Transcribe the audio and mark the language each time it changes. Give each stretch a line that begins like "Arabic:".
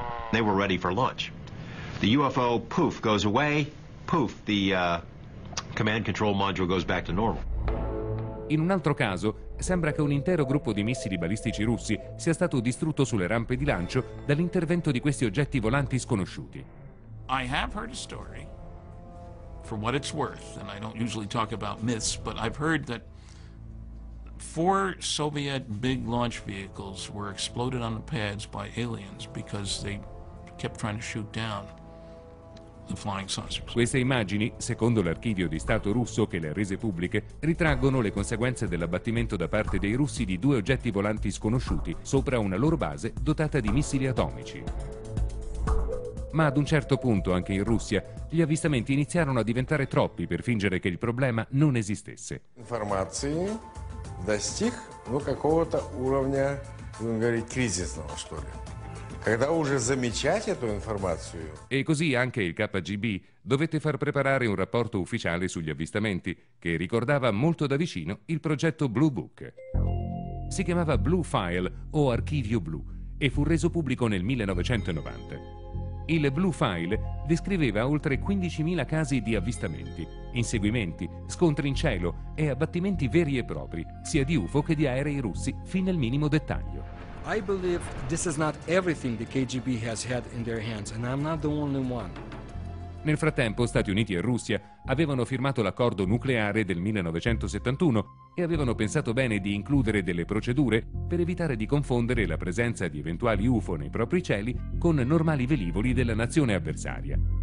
English: They were ready for launch. The UFO poof goes away. Poof, the command control module goes back to normal.
Italian: In un altro caso, sembra che un intero gruppo di missili balistici russi sia stato distrutto sulle rampe di lancio dall'intervento di questi oggetti volanti sconosciuti.
English: I have heard a story, for what it's worth, and I don't usually talk about myths, but I've heard that four Soviet big launch vehicles were exploded on the pads by aliens because they kept trying to shoot down.
Italian: Queste immagini, secondo l'archivio di Stato russo che le ha rese pubbliche, ritraggono le conseguenze dell'abbattimento da parte dei russi di due oggetti volanti sconosciuti sopra una loro base dotata di missili atomici. Ma ad un certo punto, anche in Russia, gli avvistamenti iniziarono a diventare troppi per fingere che il problema non esistesse. Informazioni
Russian: достиг ну какого-то уровня, будем говорить, кризисного, что ли.
Italian: E così anche il KGB dovette far preparare un rapporto ufficiale sugli avvistamenti che ricordava molto da vicino il progetto Blue Book. Si chiamava Blue File o Archivio Blu e fu reso pubblico nel 1990. Il Blue File descriveva oltre 15.000 casi di avvistamenti, inseguimenti, scontri in cielo e abbattimenti veri e propri, sia di UFO che di aerei russi, fin nel minimo dettaglio.
English: I believe this is not everything the KGB has had in their hands, and I'm not the only one.
Italian: Nel frattempo, Stati Uniti e Russia avevano firmato l'accordo nucleare del 1971 e avevano pensato bene di includere delle procedure per evitare di confondere la presenza di eventuali UFO nei propri cieli con normali velivoli della nazione avversaria.